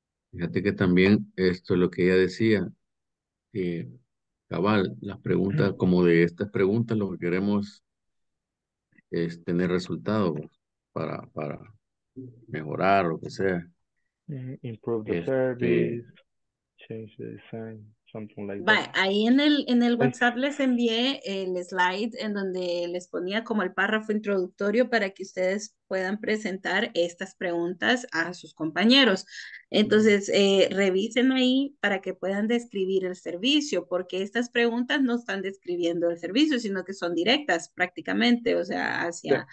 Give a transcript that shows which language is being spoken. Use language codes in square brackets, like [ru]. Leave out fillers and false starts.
[es] Fíjate que también esto es lo que ella decía, cabal, las preguntas, uh-huh, como de estas preguntas, lo que queremos es tener resultados para mejorar lo que sea. Uh-huh. [en] Improve the service, change the design, something like that. [es] Ahí en el WhatsApp les envié el slide en donde les ponía como el párrafo introductorio para que ustedes puedan presentar estas preguntas a sus compañeros. Entonces, revisen ahí para que puedan describir el servicio, porque estas preguntas no están describiendo el servicio, sino que son directas prácticamente, o sea, hacia...